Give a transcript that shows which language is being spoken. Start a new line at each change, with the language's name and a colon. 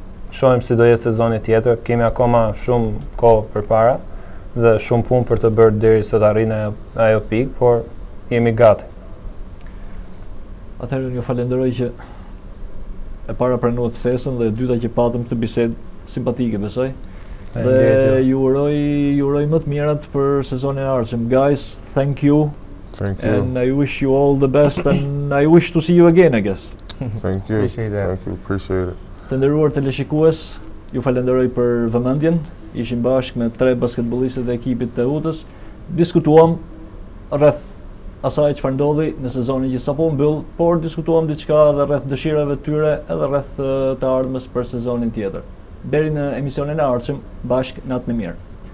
Albanian: Shohim si do jetë sezoni tjetër, kemi akoma shumë kohë përpara dhe shumë punë për të bërë deri sa të arrijmë ajo pikë, por jemi gati. Atëherë unë ju falenderoj që e para pranuat thesën dhe e dyta që patëm këtë bisedë simpatike, besoj. Dhe ju uroj më të mirat për sezonin e ardhshëm.
English: Guys, thank you. And I wish you all the best and I wish to see you again, I guess. Thank you. Appreciate it.
Albanian: Të nderuar teleshikues, ju falenderoj për vëmendjen. Ishim bashkë me tre basketbolistët e ekipit të Utës, diskutuam rreth asaj çfarë ndodhi në sezonin që sapo mbyll, por diskutuam diçka edhe rreth dëshirave të tyre edhe rreth të ardhmes për sezonin tjetër. Deri në emisionin e ardhshëm, bashkë natë me mirë.